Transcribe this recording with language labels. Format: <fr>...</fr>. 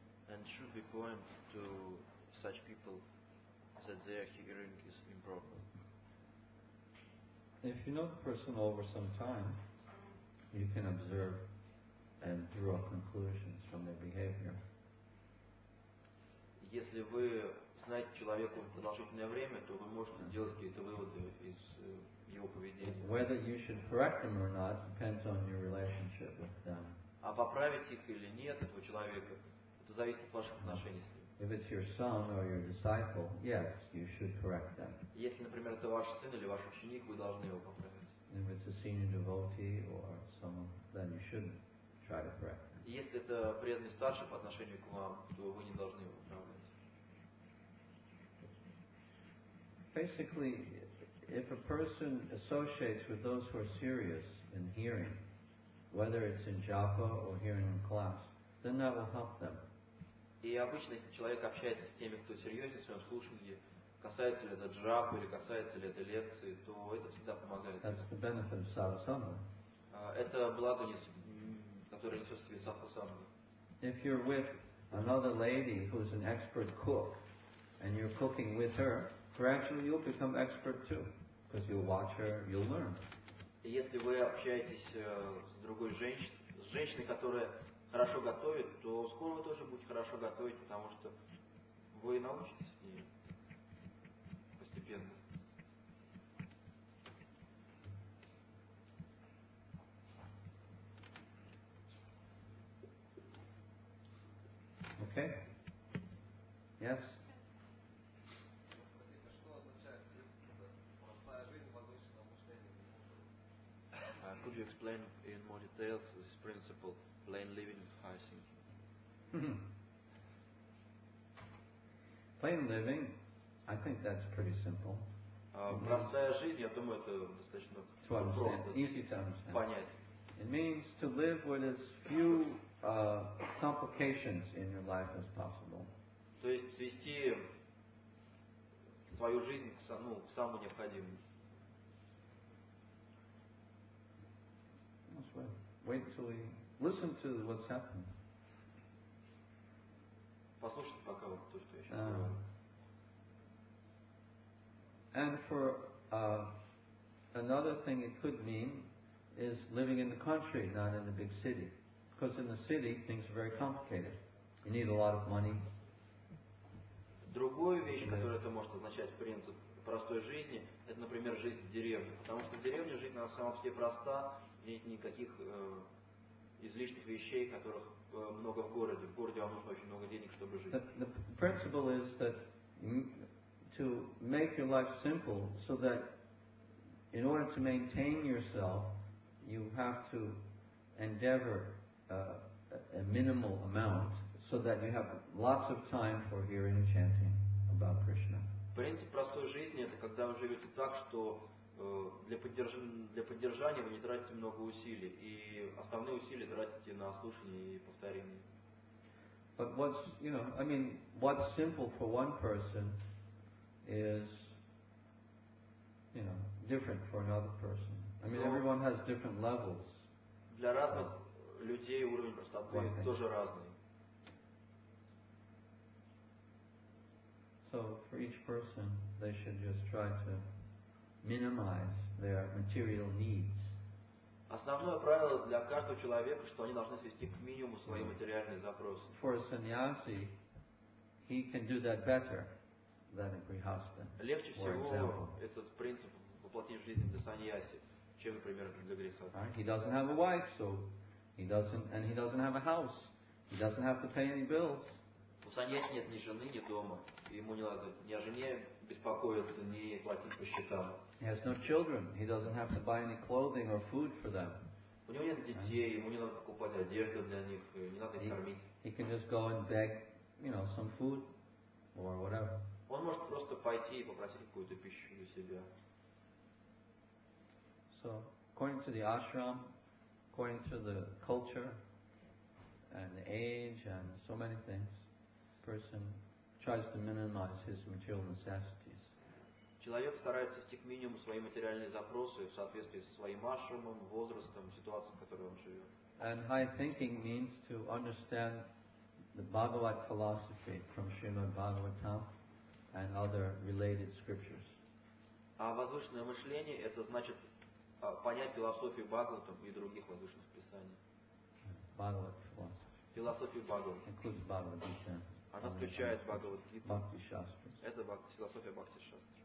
<en>And should we point to such people that their hearing is improper? If you know the person over some time, you can observe and draw conclusions from their behavior.</en> <ru>Если вы знаете человека продолжительное время, то вы можете делать какие-то выводы из его поведения.</ru> <en>Whether you should correct them or not depends on your relationship with them.</en> <ru>А поправить их или нет этого человека, это зависит от ваших отношений с ним.</ru> <en>If it's your son or your disciple, yes, you should correct them.</en> <ru>Если, например, это ваш сын или ваш ученик, вы должны его поправить.</ru> <en>If it's a senior devotee or someone, then you shouldn't try to correct them.</en> <ru>Если это преданный старший по отношению к вам, то вы не должны его поправлять.</ru> <en>Basically, if a person associates with those who are serious in hearing, whether it's in japa or hearing in class, then that will help them.</en> <ru>И обычно, если человек общается с теми, кто серьезен в своем слушании, касается ли это джапы или касается ли это лекции, то это всегда помогает.</ru> <en>That's the benefit of sadhusanga.</en> <ru>Это благо, которое несет в себе садхусанга.</ru> <en>If you're with another lady who is an expert cook, and you're cooking with her, gradually you'll become expert too, because you'll watch her, you'll learn.</en> <ru>Если вы общаетесь с другой женщиной, с женщиной, которая хорошо готовит, то скоро вы тоже будете хорошо готовить, потому что вы научитесь с ней постепенно.</ru> <en>Okay. Yes. Could you explain in more details this principle, plain living, high thinking? Plain living, I think that's pretty simple.</en> <ru>Простая жизнь, я думаю, это достаточно просто.</ru> <en>Easy to understand.</en> <ru>Понять.</ru> <en>It means to live with as few complications in your life as possible.</en> <ru>То есть свести свою жизнь к самому необходимому.</ru> <en>Wait until we listen to what's happening.</en> <ru>Послушайте пока вот то, что я сейчас говорю.</ru> <en>And for another thing it could mean is living in the country, not in the big city. Because in the city things are very complicated. You need a lot of money.</en> <ru>Другую вещь, которую это может означать, принцип простой жизни, это, например, жизнь в деревне. Потому что в деревне жизнь на самом деле проста. Нет никаких излишних вещей, которых много в городе. В городе вам нужно очень много денег, чтобы жить.</ru> <en>The principle is that to make your life simple so that in order to maintain yourself, you have to endeavor a minimal amount so that you have lots of time for hearing and chanting about Krishna.</en> <ru>Принцип простой жизни — это когда вы живете так, что для поддержания вы не тратите много усилий, и основные усилия тратите на слушание и повторение.</ru> <en>But what's, you know, I mean, what's simple for one person is you know, different for another person. I mean, everyone has different levels.</en> <ru>Для разных людей уровень простоты тоже разный.</ru> <en>So for each person, they should just try to minimize their material needs.</en> <ru>Основное правило для каждого человека, что они должны свести к минимуму свои материальные запросы.</ru> <en>For a sannyasi, he can do that better than a grihastha.</en> <ru>Легче всего этот принцип воплотить в жизнь для саньяси, чем, например, для грехаса.</ru> <en>He doesn't have a wife, so he doesn't, and he doesn't have a house. He doesn't have to pay any bills.</en> <ru>У саньяси нет ни жены, ни дома. Ему не надо ни о жене беспокоиться, ни платить по счетам.</ru> <en>He has no children. He doesn't have to buy any clothing or food for them.</en> <ru>У него нет детей, ему не надо покупать одежду для них, не надо их кормить.</ru> <en>He can just go and beg, you know, some food or whatever.</en> <ru>Он может просто пойти и попросить какую-то пищу для себя.</ru> <en>So, according to the ashram, according to the culture and the age and so many things, person tries to minimize his material necessities.</en> <ru>Человек старается свести к минимуму свои материальные запросы в соответствии со своим ашрамом, возрастом, ситуацией, в которой он живет.</ru> <en>And high thinking means to understand the Bhagavad philosophy from Srimad Bhagavatam and other related scriptures.</en> <ru>А возвышенное мышление — это значит понять философию Бхагаватам и других возвышенных писаний.</ru> <en>Bhagavad philosophy.</en> <ru>Философию Бхагаватам.</ru> <en>Includes Bhagavad Gita.</en> <ru>Она включает Бхагавад Гиту. Бхакти Шастра. Это философия Бхакти Шастра.</ru>